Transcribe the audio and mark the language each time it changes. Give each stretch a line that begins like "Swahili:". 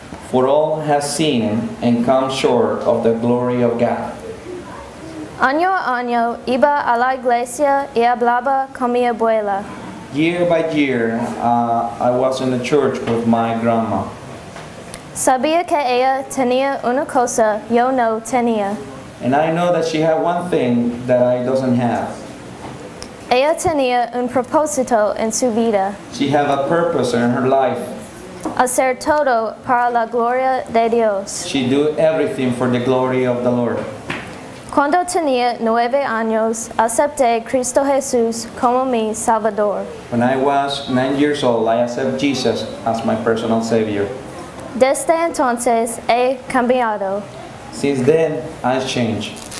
English: For all have sinned and come short of the glory of God.
Spanish: Año a año iba a la iglesia y hablaba con mi abuela.
English: Year by year, I was in the church with my grandma.
Spanish: Sabía que ella tenía una cosa yo no tenía.
English: And I know that she had one thing that I doesn't have.
Spanish: Ella tenía un propósito en su vida.
English: She had a purpose in her life.
Spanish: Hacer todo para la gloria de Dios.
English: She do everything for the glory of the Lord.
Spanish: Cuando tenía 9 años, acepté Cristo Jesús como mi Salvador.
English: When I was 9 years old, I accept Jesus as my personal Savior.
Spanish: Desde entonces he cambiado.
English: Since then, I've changed.